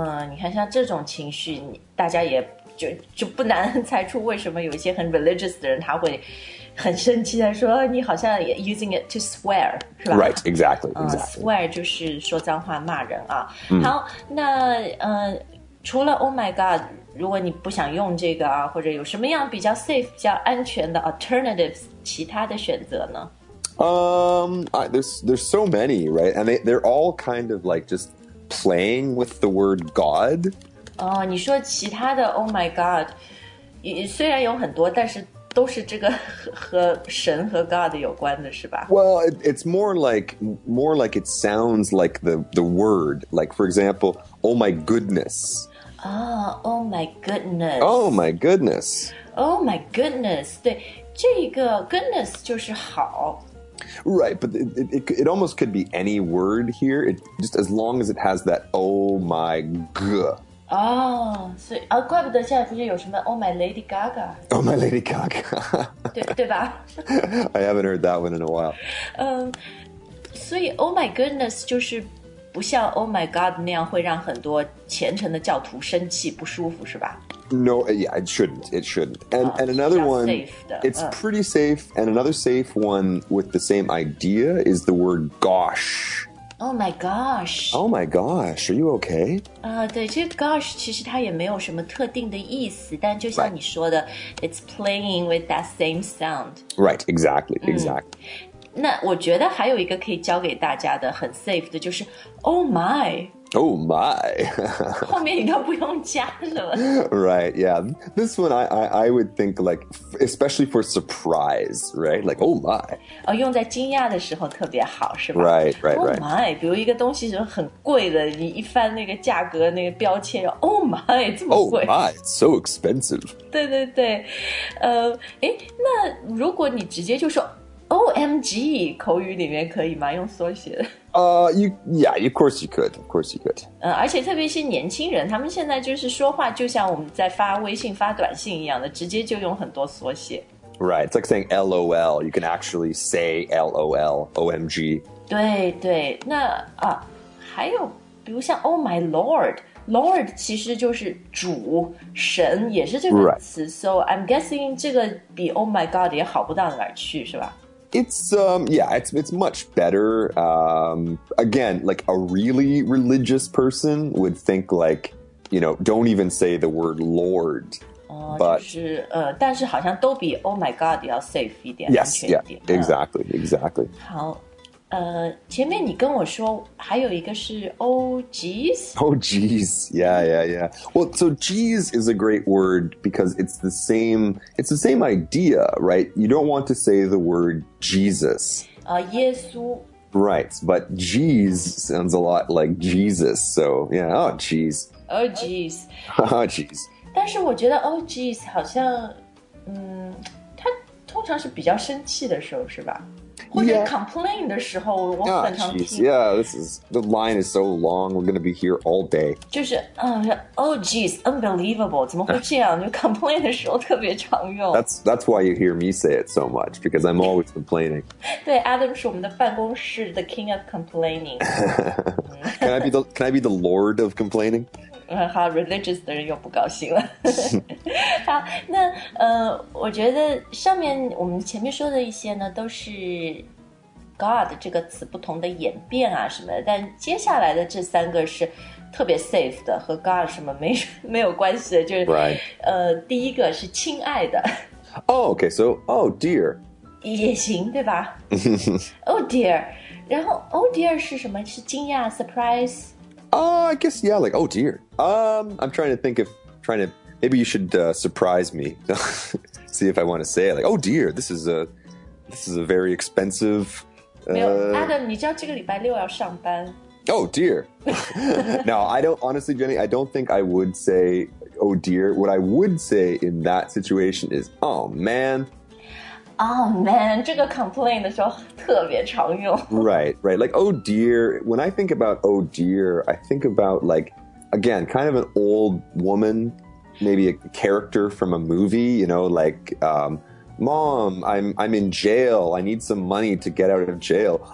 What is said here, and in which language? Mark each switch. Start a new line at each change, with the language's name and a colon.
Chinese: 你看像这种情绪大家也就不难猜出为什么有一些很 religious 的人他会很生气的说你好像
English: using it to swear,
Chinese: 是吧
English: Right, exactly, exactly.
Chinese: Swear 就是说脏话骂人啊。 Mm. 好那、除了 oh my god, 如果你不想用这个啊或者有什么样比较 safe, 比较安全的 alternatives, 其他的选择呢
English: there's so many, right? And they're all kind of like just playing with the word God.
Chinese: 你说其他的 Oh my God, 虽然有很多，但是都是这个和神和 God 有关的是吧
English: Well, it's more like it sounds like the word. Like, for example, oh my goodness. Oh, oh my goodness. Oh my goodness. Oh my goodness.
Chinese: 对，这个 goodness 就是好。
English: Right, but it almost could be any word here. It, just as long as it has that oh my god.
Chinese: 哦，所以啊，怪不得现在不是有什么 "Oh my Lady Gaga"，
English: "Oh my Lady Gaga"，
Chinese: 对吧
English: ？I haven't heard that one in a while.
Chinese: 所以 "Oh my goodness" 就是不像 "Oh my God" 那样会让很多虔诚的教徒生气不舒服，是吧
English: ？No, yeah, it shouldn't. It shouldn't. And another one, it's pretty safe. And another safe one with the same idea is the word "gosh." Oh my gosh. Oh my gosh, are you okay?
Chinese: 对，这个 gosh 其实它也没有什么特定的意思，但就像你说的
English: right. It's playing with that same sound. Right, exactly, exactly.
Chinese: 那我觉得还有一个可以教给大家的很 safe 的就是 Oh my.
English: Oh my.
Chinese: 后面应该不用加了。
English: Right, yeah. This one I would think like, especially for surprise, right? Like, oh my.
Chinese: 用在惊讶的时候特别好是吧
English: Right, right, oh right.
Chinese: Oh my, 比如一个东西很贵的你一翻那个价格那个标签 Oh my, 这么贵。
English: Oh my, it's so expensive.
Chinese: 对对对。那如果你直接就说OMG, 口语里面可以吗？用缩写。
English: Of course you could, of course you could.
Chinese: 而且特别是年轻人，他们现在就是说话就像我们在发微信、发短信一样的，直接就用很多缩写。
English: Right, it's like saying LOL. You can actually say LOL, OMG.
Chinese: 对对，那啊，还有比如像 Oh my Lord, Lord 其实就是主神，也是这个词。
English: Right. So I'm guessing
Chinese: 这个比 Oh my God 也好不到哪儿去，是吧？
English: It's much better. Again, like a really religious person would think like, you know, don't even say the word Lord. But
Chinese: 但是好像都比 Oh my God 要 safe 一点。
English: Yes, yeah, exactly, exactly.
Chinese: 好，前面你跟我说还有一个是 Oh geez.
English: Oh geez, yeah. Well, so geez is a great word because it's the same idea, right? You don't want to say the word Jesus.
Chinese: Yesu.
English: Right, but geez sounds a lot like Jesus, so yeah, oh geez. Oh geez. Oh geez.
Chinese: 但是我觉得 oh geez 好像，它通常是比较生气的时候，是吧？或者 complain 的时候，我很常听。
English: Yeah, this is the line is so long. We're gonna be here all day.
Chinese: 就是
English: oh geez, unbelievable!
Chinese: 怎么会这样？就 complain 的时候特别常用。
English: That's why you hear me say it so much because I'm always complaining.
Chinese: 对 ，Adam 是我们的办公室
English: the king of complaining. Can I be the lord of complaining?
Chinese: 好 ，religious 的人又不高兴了。好，那我觉得上面我们前面说的一些呢，都是 God 这个词不同的演变啊什么的。但接下来的这三个是特别 safe 的，和 God 什么没有关系的，就是、
English: right.
Chinese: 第一个是亲爱的。
English: Oh, okay. So, oh dear.
Chinese: 也行，对吧？Oh dear. 然后 oh dear 是什么？是惊讶 ，surprise。
English: I guess, yeah, like, oh dear. I'm trying to think of, maybe you should surprise me. See if I want to say it. Like, oh dear, this is a very expensive. Adam, you know, this week I have to work. Oh dear. No, I don't, honestly, Jenny, I don't think I would say, oh dear. What I would say in that situation is, oh man.
Chinese: Oh man, 这个 complain 的时候特别常用。
English: Right, right. Like, oh dear. When I think about oh dear, I think about like, again, kind of an old woman, maybe a character from a movie, you know, like, mom, I'm in jail. I need some money to get out of jail.